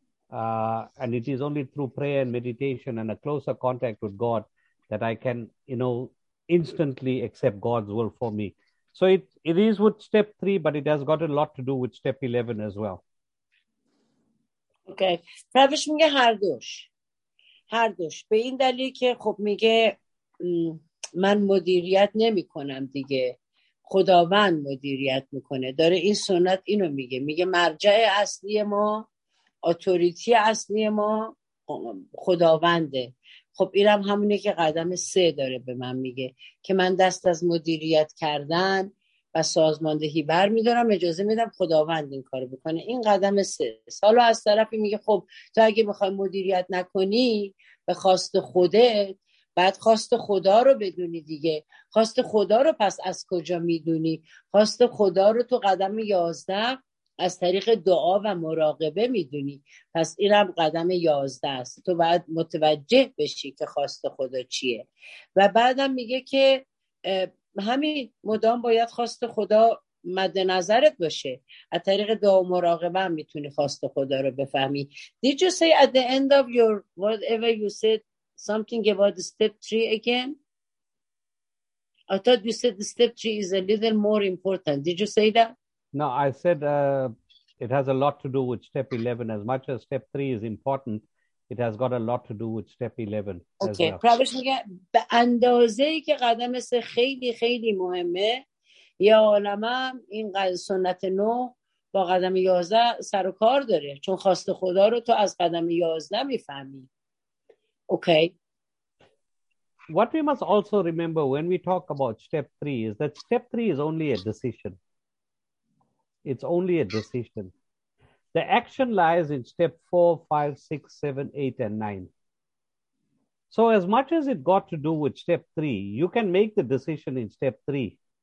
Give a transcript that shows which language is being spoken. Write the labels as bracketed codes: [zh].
[en] And it is only through prayer and meditation and a closer contact with God that I can, you know, instantly accept God's will for me. So it is with step 3, but it has got a lot to do with step 11 as well. [fa] Okay. Pravish میگه هر دوش. هر دوش. به این دلیل که خب میگه من مدیریت نمی کنم دیگه. خداوند مدیریت میکنه. داره این سنت اینو میگه، میگه مرجع اصلی ما، اتوریتی اصلی ما خداونده. خب اینم همونه که قدم 3 داره به من میگه، که من دست از مدیریت کردن و سازماندهی برمیدارم، اجازه میدم خداوند این کارو بکنه. این قدم 3. حالا از طرفی میگه خب تو اگه بخوای مدیریت نکنی به خواست خودت، بعد خواست خدا رو بدونی دیگه. خواست خدا رو پس از کجا میدونی؟ خواست خدا رو تو قدم 11 از طریق دعا و مراقبه میدونی. پس اینم قدم 11 است. تو باید متوجه بشی که خواست خدا چیه. و بعدم میگه که همین مدام باید خواست خدا مد نظرت باشه. از طریق دعا و مراقبه هم میتونی خواست خدا رو بفهمی. [en] Did you say at the end of your whatever you said something about step 3 again? I thought you said step 3 is a little more important. Did you say that? No, I said it has a lot to do with step 11. As much as step 3 is important, it has got a lot to do with step 11. [fa] Okay, پرویش میگه به اندازه‌ای که قدم 3 خیلی خیلی مهمه، یا عالمه این سنت نو با قدم 11 سر و کار داره، چون خواست خدا رو تو از قدم 11 میفهمی. اوکی. [en] what we must also remember when we talk about step three is that step three is only a decision. It's only a decision. The action lies in step 4, 5, 6, 7, 8, and 9. So as much as it got to do with step three, you can make the decision in step three.